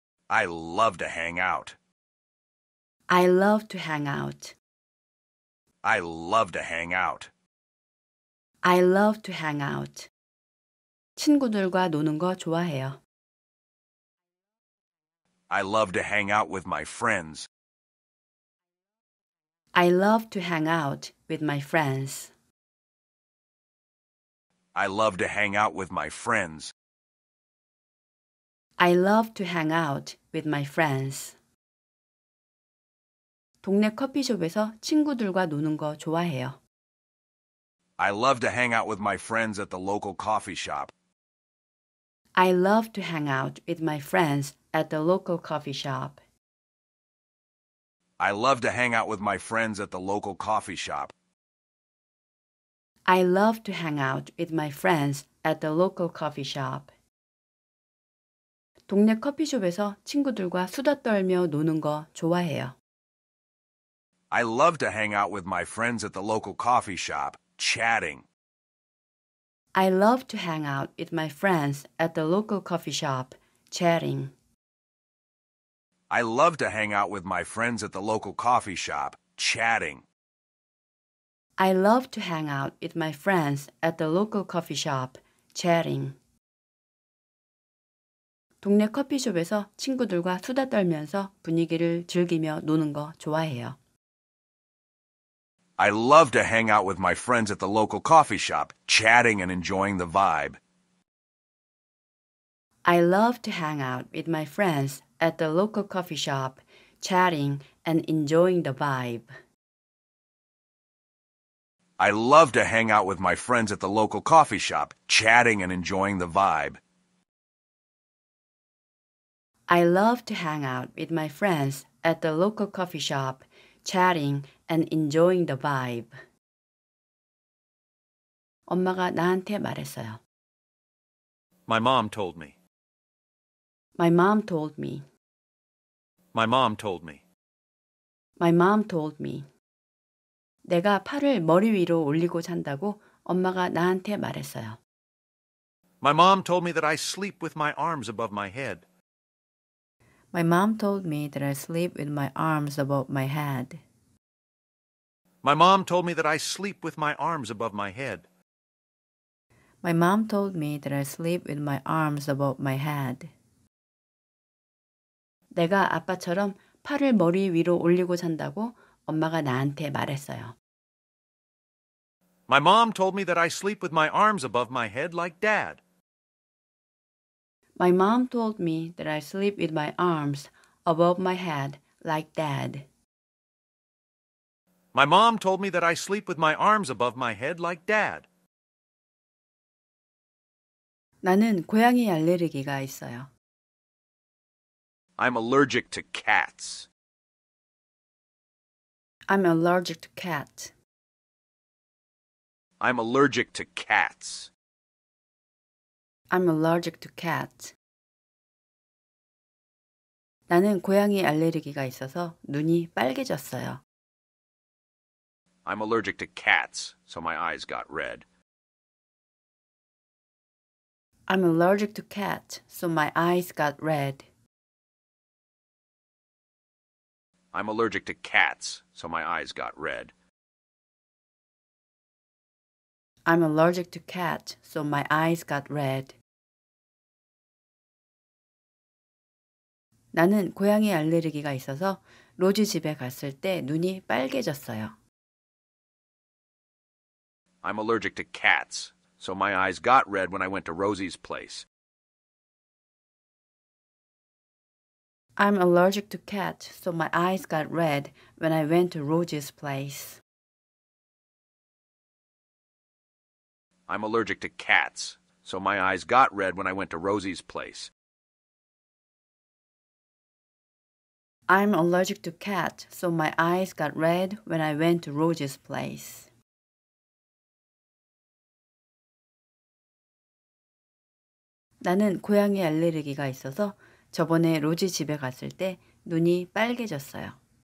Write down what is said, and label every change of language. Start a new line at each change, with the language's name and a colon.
English: I love to hang out. I love to hang out. I love to hang out. I love to hang out.
Korean: 친구들과 노는 거 좋아해요.
English: I love to hang out with my friends. I love to hang out with my friends. I love to hang out with my friends. I love to hang out with my friends.
Korean: 동네 커피숍에서 친구들과 노는 거 좋아해요.
English: I love to hang out with my friends at the local coffee shop. I love to hang out with my friends at the local coffee shop. I love to hang out with my friends at the local coffee shop. I love to hang out with my friends at the local coffee shop.
Korean: 동네 커피숍에서 친구들과 수다 떨며 노는 거 좋아해요.
English: I love to hang out with my friends at the local coffee shop, chatting. I love to hang out with my friends at the local coffee shop, chatting. I love to hang out with my friends at the local coffee shop, chatting. I love to hang out with my friends at the local coffee shop, chatting.
Korean: 동네 커피숍에서 친구들과 수다 떨면서 분위기를 즐기며 노는 거 좋아해요.
English: I love to hang out with my friends at the local coffee shop, chatting and enjoying the vibe. I love to hang out with my friends at the local coffee shop, chatting and enjoying the vibe. I love to hang out with my friends at the local coffee shop, chatting and enjoying the vibe. I love to hang out with my friends at the local coffee shop, chatting and enjoying the vibe.
Korean: 엄마가 나한테 말했어요.
English: My mom told me. My mom told me. My mom told me. My mom told me.
Korean: 내가 팔을 머리 위로 올리고 잔다고 엄마가 나한테 말했어요.
English: My mom told me that I sleep with my arms above my head. My mom told me that I sleep with my arms above my head. My mom told me that I sleep with my arms above my head. My mom told me that I sleep with my arms above my head.
Korean: 내가 아빠처럼 팔을 머리 위로 올리고 잔다고 엄마가 나한테 말했어요.
English: My mom told me that I sleep with my arms above my head like dad. My mom told me that I sleep with my arms above my head like dad. My mom told me that I sleep with my arms above my head like dad.
Korean: 나는 고양이 알레르기가 있어요.
English: I'm allergic to cats. I'm allergic to cats. I'm allergic to cats. I'm allergic to cats.
Korean: 나는 고양이 알레르기가 있어서 눈이 빨개졌어요.
English: I'm allergic to cats, so my eyes got red. I'm allergic to cats, so my eyes got red. I'm allergic to cats, so my eyes got red. I'm allergic to cats, so my eyes got red.
Korean: 나는 고양이 알레르기가 있어서 로지 집에 갔을 때 눈이 빨개졌어요.
English: I'm allergic to cats, so my eyes got red when I went to Rosie's place. I'm allergic to cats, so my eyes got red when I went to Rosie's place. I'm allergic to cats, so my eyes got red when I went to Rosie's place. I'm allergic to cats, so my eyes got red when I went to Rosy's place.
Korean: 나는 고양이 알레르기가 있어서 저번에 로지 집에 갔을 때 눈이 빨개졌어요.